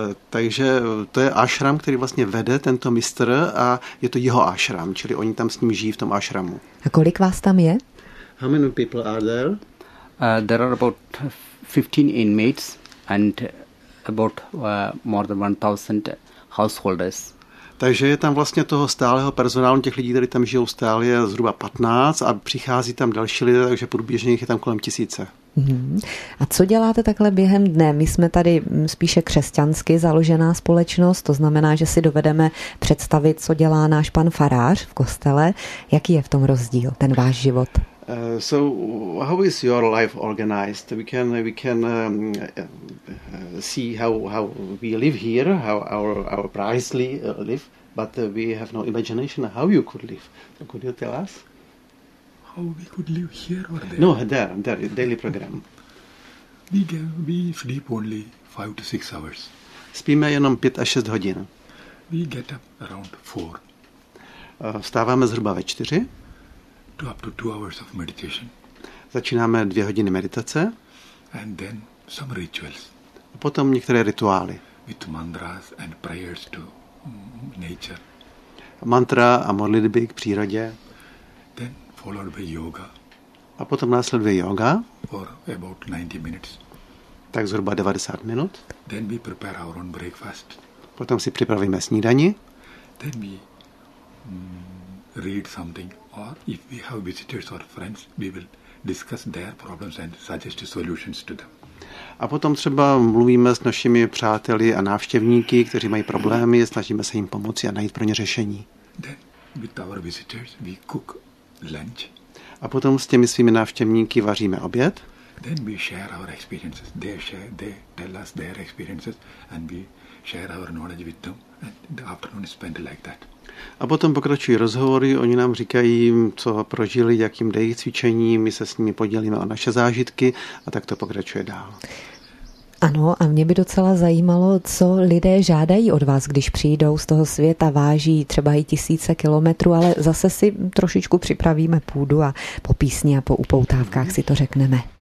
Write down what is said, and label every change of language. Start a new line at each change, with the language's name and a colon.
Czech: Takže to je ashram, který vlastně vede tento mistr a je to jeho ashram, čili oni tam s ním žijí v tom ashramu. A kolik vás tam je?
English: How many people are there? There are about 15 inmates and about more than 1,000 householders.
Czech: Takže je tam vlastně toho stálého personálu, těch lidí, kteří tam žijou stále, je zhruba 15 a přichází tam další lidé, takže průběžně jich je tam kolem 1,000. Mm-hmm. A co děláte takhle během dne? My jsme tady spíše křesťansky založená společnost, to znamená, že si dovedeme představit, co dělá náš pan farář v kostele. Jaký je v tom rozdíl, ten váš život?
English: So how is your life organized? We can see how we live here, how our priestly live, but we have no imagination how you could live. So could you tell us how we could live here or there? No, there daily program. We sleep only 5 to 6 hours.
Czech: Spíme jenom 5 až 6 hodin.
English: We get up around 4.
Czech: Vstáváme zhruba ve 4.
English: Up to 2 hours of meditation.
Czech: Začínáme 2 hodiny meditace.
English: And then some rituals.
Czech: A potom některé rituály.
English: With mantras and prayers to nature.
Czech: Mantra a modlitby k přírodě.
English: Then followed by yoga.
Czech: A potom následuje yoga.
English: For about 90 minutes.
Czech: Tak zhruba 90 minut.
English: Then we prepare our own breakfast.
Czech: Potom si připravíme snídani.
English: Then we read something. Or if we have visitors or friends, we will discuss their problems and suggest solutions to them.
Czech: A potom třeba mluvíme s našimi přáteli a návštěvníky, kteří mají problémy, snažíme se jim pomoci a najít pro ně řešení.
English: Then with our visitors, we cook lunch.
Czech: A potom s těmi svými návštěvníky vaříme oběd.
English: Then we share our experiences. They tell us their experiences and we share our knowledge with them. And the afternoon is spent like that.
Czech: A potom pokračují rozhovory, oni nám říkají, co prožili, jakým dejí cvičení, my se s nimi podělíme o naše zážitky a tak to pokračuje dál. Ano, a mě by docela zajímalo, co lidé žádají od vás, když přijdou z toho světa, váží třeba i 1000 kilometrů, ale zase si trošičku připravíme půdu a po písni a po upoutávkách si to řekneme.